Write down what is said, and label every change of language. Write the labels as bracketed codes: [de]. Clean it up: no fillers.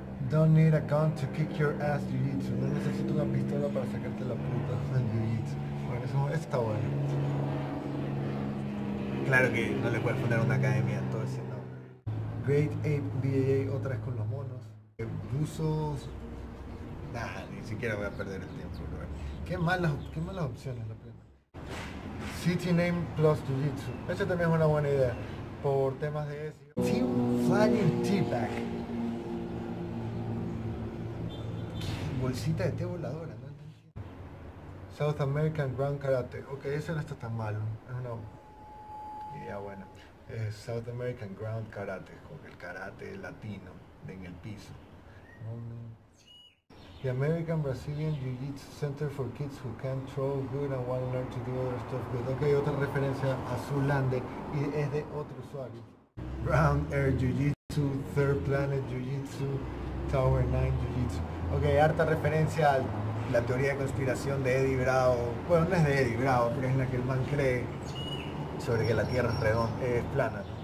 [en] Don't need a gun to kick your ass, Jiu-Jitsu. [es] No necesito una pistola para sacarte la puta en Jiu-Jitsu. Bueno, eso está bueno. Claro que no le puedes fundar una academia, todo ese nombre. Great Ape BAA, otra vez con los monos. Rusos. Nah, ni siquiera voy a perder el tiempo, bro. Qué malas opciones, la pena. City Name plus Jiu-Jitsu. Esa también es una buena idea. Por temas de ese. Team Flying T-Pack. Bolsita de té voladora, ¿no? South American Ground Karate. Ok, eso no está tan malo. Es una idea buena. [en] South American Ground Karate. [es] Con el karate latino en el piso. [en] The American Brazilian Jiu-Jitsu Center for Kids Who Can't Throw Good and Want to Learn to Do Other Stuff Good. [es] Ok, otra referencia a Zoolander. Y es de otro usuario. [en] Ground Air Jiu-Jitsu, Third Planet Jiu-Jitsu, Tower 9 Jiu-Jitsu. [es] Ok, harta referencia a la teoría de conspiración de Eddie Bravo. Bueno, no es de Eddie Bravo, pero es en la que el man cree sobre que la Tierra es plana.